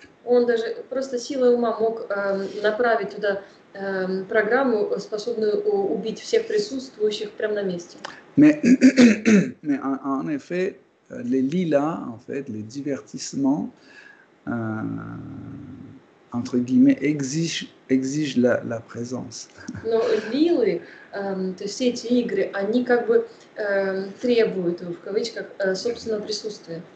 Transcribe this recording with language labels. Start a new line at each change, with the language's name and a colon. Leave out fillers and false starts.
Russian: Он даже просто силой ума мог направить туда программу, способную убить всех присутствующих прямо на месте.
French: Mais en effet, les lilas, en fait, les divertissements, entre guillemets, exigent la présence.
Russian: Но лилы, то есть эти игры, они как бы требуют, в кавычках, собственного присутствия.